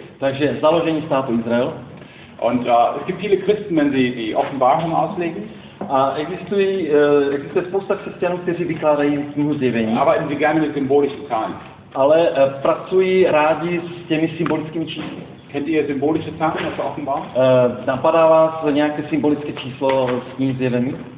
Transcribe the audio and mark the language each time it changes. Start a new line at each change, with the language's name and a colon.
Czech: Takže založení státu Izrael.
German: Und es gibt viele Christen, wenn sie die Offenbarung auslegen.
Czech: A existuje spousta křesťanů, kteří vykládají knihu Zjevení.
German: Arbeiten sie gerne mit symbolischen Zahlen.
Czech: Ale pracují rádi s těmi symbolickými čísly.
German: Kennt ihr symbolische Zahlen aus der Offenbarung?
Czech: Napadá vás nějaké symbolické číslo z knihy Zjevení?